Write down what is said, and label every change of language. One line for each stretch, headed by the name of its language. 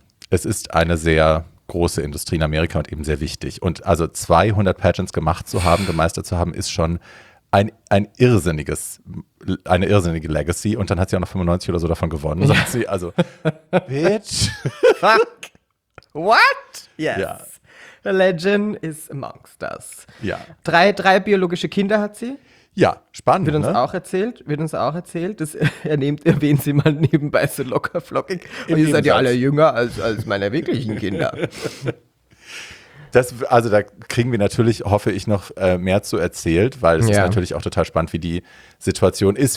German: Es ist eine sehr große Industrie in Amerika und eben sehr wichtig. Und also 200 Pageants gemacht zu haben, gemeistert zu haben, ist schon eine irrsinnige Legacy. Und dann hat sie auch noch 95 oder so davon gewonnen, sagt sie. Also, bitch.
English: Fuck. What? Yes. Ja. The legend is amongst us.
German: Ja. Drei biologische Kinder hat sie. Ja, spannend. Wird uns auch erzählt. Das erwähnt sie mal nebenbei so locker flockig. Und ihr seid ja alle jünger als meine wirklichen Kinder. Also da kriegen wir natürlich, hoffe ich, noch mehr zu erzählt, weil es ist natürlich auch total spannend, wie die Situation ist.